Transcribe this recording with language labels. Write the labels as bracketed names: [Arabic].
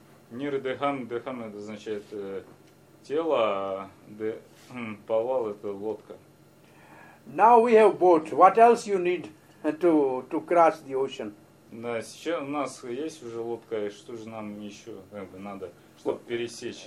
[Russian] Nirdeham, deham это означает тело, а повал это лодка. [English] Now we have boat. What else you need to cross the ocean? [Russian] Да, сейчас у нас есть уже лодка, и что же нам еще как бы надо, чтобы пересечь?